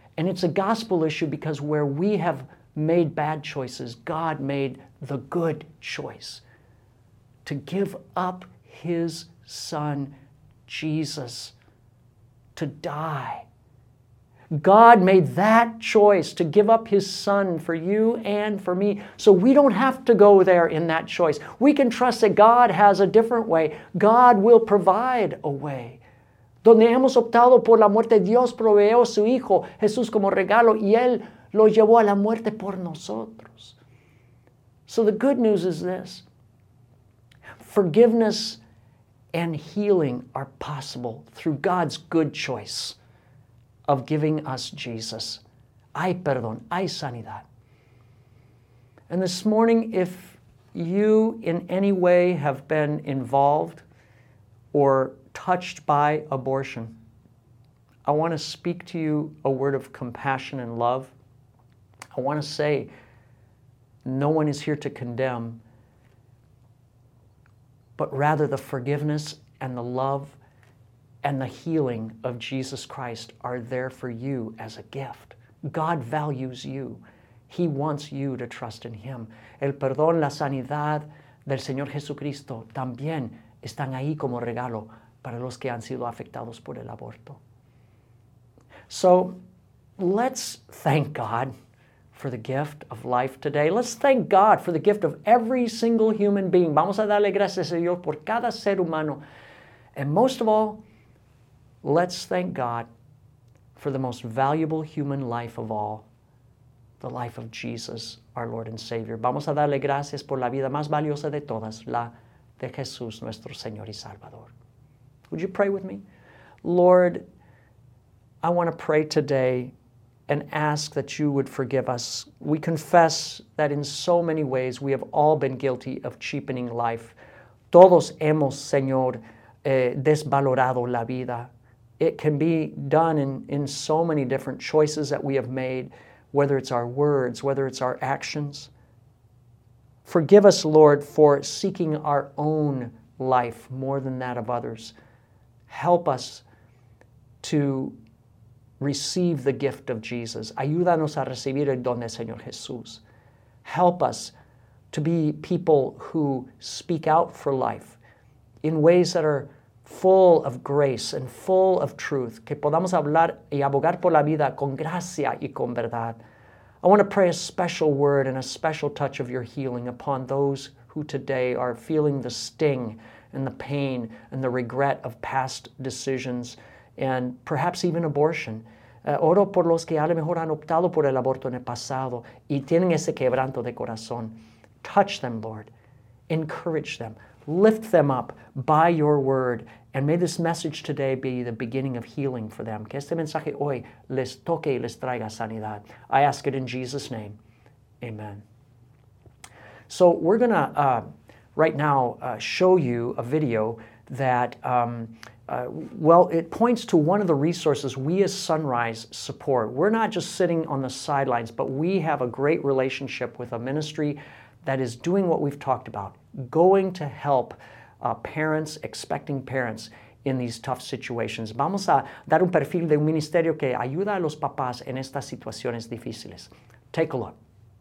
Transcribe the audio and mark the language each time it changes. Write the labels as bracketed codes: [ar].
[en] And it's a gospel issue because where we have made bad choices, God made the good choice to give up His Son, Jesus, to die. God made that choice to give up His Son for you and for me, so we don't have to go there in that choice. We can trust that God has a different way. God will provide a way. [es] Donde hemos optado por la muerte, Dios proveó su Hijo, Jesús, como regalo, y Él lo llevó a la muerte por nosotros. [en] So the good news is this. Forgiveness and healing are possible through God's good choice of giving us Jesus. [es] Hay perdón, hay sanidad. [en] And this morning, if you in any way have been involved or touched by abortion, I want to speak to you a word of compassion and love. I want to say, no one is here to condemn, but rather the forgiveness and the love and the healing of Jesus Christ are there for you as a gift. God values you. He wants you to trust in Him. [es] El perdón, la sanidad del Señor Jesucristo también están ahí como regalo para los que han sido afectados por el aborto. [en] So let's thank God for the gift of life today. Let's thank God for the gift of every single human being. [es] Vamos a darle gracias a Dios por cada ser humano. [en] And most of all, let's thank God for the most valuable human life of all, the life of Jesus, our Lord and Savior. [es] Vamos a darle gracias por la vida más valiosa de todas, la de Jesús, nuestro Señor y Salvador. [en] Would you pray with me? Lord, I want to pray today and ask that you would forgive us. We confess that in so many ways we have all been guilty of cheapening life. [es] Todos hemos, Señor, desvalorado la vida. [en] It can be done in so many different choices that we have made, whether it's our words, whether it's our actions. Forgive us, Lord, for seeking our own life more than that of others. Help us to receive the gift of Jesus. [es] Ayúdanos a recibir el don del Señor Jesús. [en] Help us to be people who speak out for life in ways that are full of grace and full of truth. [es] Que podamos hablar y abogar por la vida con gracia y con verdad. [en] I want to pray a special word and a special touch of your healing upon those who today are feeling the sting and the pain and the regret of past decisions and perhaps even abortion. [es] Oro por los que a lo mejor han optado por el aborto en el pasado y tienen ese quebranto de corazón. [en] Touch them, Lord. Encourage them. Lift them up by your word. And may this message today be the beginning of healing for them. [es] Que este mensaje hoy les toque y les traiga sanidad. [en] I ask it in Jesus' name. Amen. So we're going to show you a video that, it points to one of the resources we as Sunrise support. We're not just sitting on the sidelines, but we have a great relationship with a ministry that is doing what we've talked about, going to help parents, expecting parents, in these tough situations. [es] Vamos a dar un perfil de un ministerio que ayuda a los papás en estas situaciones difíciles. [en] Take a look.